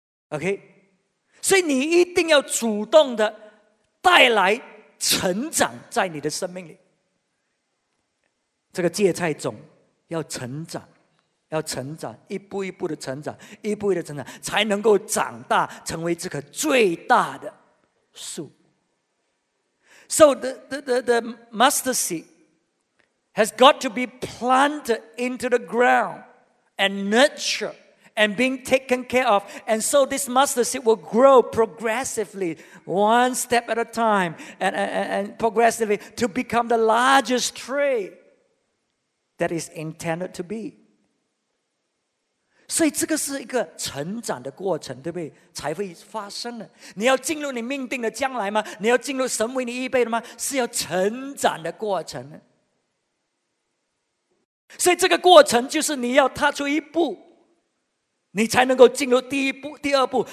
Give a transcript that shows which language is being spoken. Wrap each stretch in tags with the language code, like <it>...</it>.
<zh>OK， 所以你一定要主动的带来成长在你的生命里。这个芥菜种要成长，要成长，一步一步的成长，一步一步的成长，才能够长大成为这棵最大的树。</zh> <en>So the mustard seed has got to be planted into the ground and nurtured and being taken care of. And so this mustard seed will grow progressively, one step at a time, and progressively to become the largest tree that is intended to be.</en> <zh>所以这个是一个成长的过程，对不对？才会发生的。你要进入你命定的将来吗？你要进入神为你预备的吗？是要成长的过程。所以这个过程就是你要踏出一步，你才能够进入第一步、第二步。</zh>